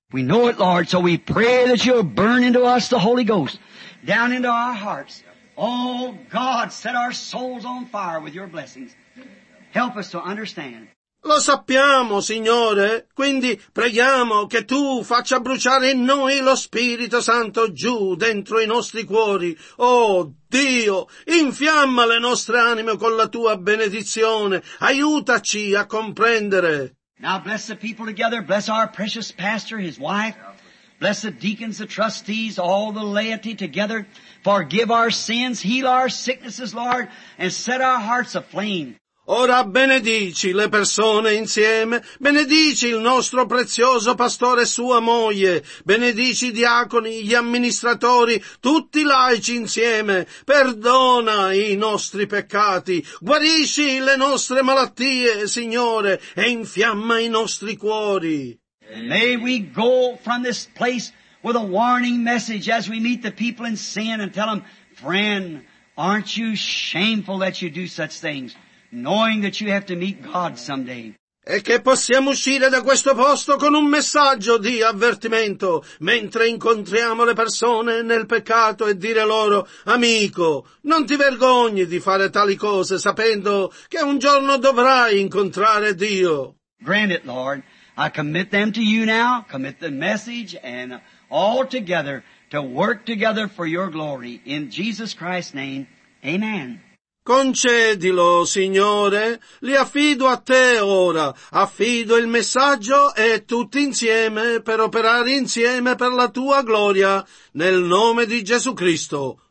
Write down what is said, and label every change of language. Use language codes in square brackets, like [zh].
[en] We know it, Lord, so we pray that you'll burn into us the Holy Ghost, down into our hearts. Oh God, set our souls on fire with your blessings. Help us to understand. [it] Lo sappiamo, Signore, quindi preghiamo che tu faccia bruciare in noi lo Spirito Santo giù dentro i nostri cuori. Oh Dio, infiamma le nostre anime con la tua benedizione. Aiutaci a comprendere. [en] Now bless the people together, bless our precious pastor, his wife, bless the deacons, the trustees, all the laity together, forgive our sins, heal our sicknesses, Lord, and set our hearts aflame. [it] Ora benedici le persone insieme, benedici il nostro prezioso pastore e sua moglie, benedici i diaconi, gli amministratori, tutti i laici insieme, perdona i nostri peccati, guarisci le nostre malattie, Signore, e infiamma i nostri cuori. [en] May we go from this place with a warning message as we meet the people in sin and tell them, friend, aren't you shameful that you do such things? Knowing that you have to meet God someday. [it] E che possiamo uscire da questo posto con un messaggio di avvertimento, mentre incontriamo le persone nel peccato e dire loro, amico, non ti vergogni di fare tali cose, sapendo che un giorno dovrai incontrare Dio. [en] Grant it, Lord. I commit them to you now, commit the message, and all together to work together for your glory. In Jesus Christ's name, amen. [it] Concedilo, Signore, li affido a te ora, affido il messaggio e tutti insieme per operare insieme per la tua gloria, nel nome di Gesù Cristo.